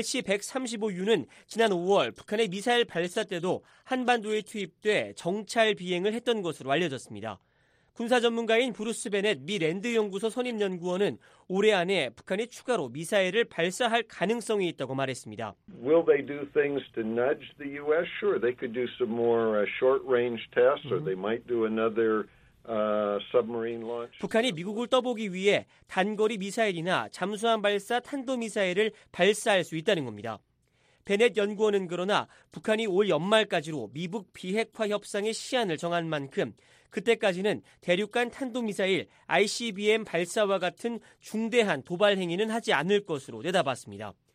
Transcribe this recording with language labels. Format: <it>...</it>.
<ko>RC-135U는 지난 5월 북한의 미사일 발사 때도 한반도에 투입돼 정찰 비행을 했던 것으로 알려졌습니다. 군사 전문가인 브루스 베넷 미 랜드연구소 선임연구원은 올해 안에 북한이 추가로 미사일을 발사할 가능성이 있다고 말했습니다.</ko> <en>Will they do things to nudge the U.S.? Sure, they could do some more short-range tests, or they might do another submarine launch.</en> <ko>북한이 미국을 떠보기 위해 단거리 미사일이나 잠수함 발사 탄도미사일을 발사할 수 있다는 겁니다. 베넷 연구원은 그러나 북한이 올 연말까지로 미북 비핵화 협상의 시한을 정한 만큼 그때까지는 대륙간 탄도미사일 ICBM 발사와 같은 중대한 도발 행위는 하지 않을 것으로 내다봤습니다.</ko>